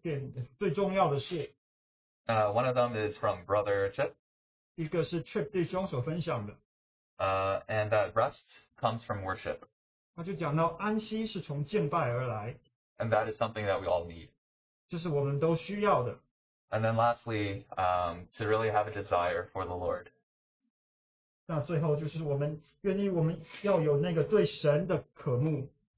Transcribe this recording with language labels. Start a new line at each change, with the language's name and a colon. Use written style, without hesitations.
Chinese: 然后他又分享最后两点最重要的是,
English: one of them is from Brother Chip.
Chinese: 一个是Chip弟兄所分享的。
English: And that rest comes from worship.
Chinese: 他就讲到安息是从敬拜而来,
English: and that is something that we all need.
Chinese: 这是我们都需要的。
English: And then lastly, to really have a desire for the Lord.
Chinese: 那最后就是我们愿意我们要有那个对神的渴慕。